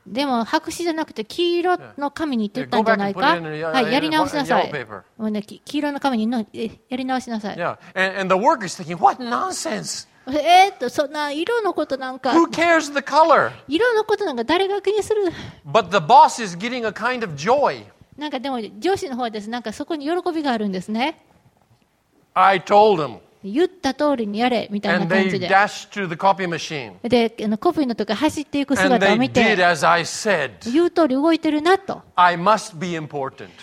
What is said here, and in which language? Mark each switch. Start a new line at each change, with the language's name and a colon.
Japanese: でも白紙じゃなくて黄色の紙に言ってたんじゃないか。はい、やり直しなさい。もうね、黄色の紙にやり直しなさい。
English: Yeah, and the worker's thinking, what nonsense?
Japanese: そんな色のことなんか
English: Who cares the color?
Japanese: 色のことなんか誰が気にする
English: But the boss is getting a kind of joy.
Japanese: なんかでも上司の方はですね、なんかそこに喜びがあるんですね。
English: I told them.
Japanese: 言った通りにやれみたいな感じで。
English: And they dashed to the copy machine.
Japanese: で、コピーのとこ走っていく姿を見て。
English: And they did as I said.
Japanese: 言う通り動いてるなと。
English: I must be important.